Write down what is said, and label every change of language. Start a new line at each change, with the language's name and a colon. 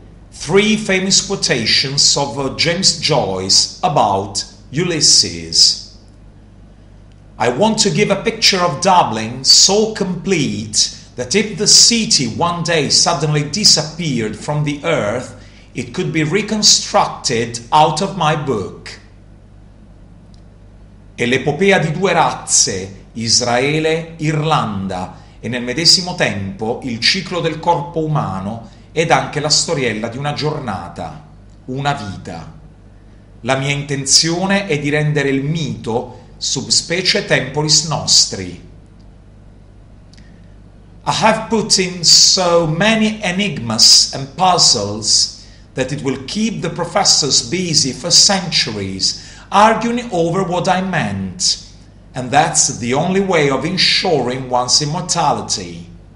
English: Three famous quotations of James Joyce about Ulysses. I want to give a picture of Dublin so complete that if the city one day suddenly disappeared from the earth, it could be reconstructed out of my book.
Italian: E l'epopea di due razze, Israele, Irlanda, e nel medesimo tempo il ciclo del corpo umano ed anche la storiella di una giornata, una vita. La mia intenzione è di rendere il mito
Latin: sub specie temporis nostri.
English: I have put in so many enigmas and puzzles that it will keep the professors busy for centuries, arguing over what I meant, and that's the only way of ensuring one's immortality.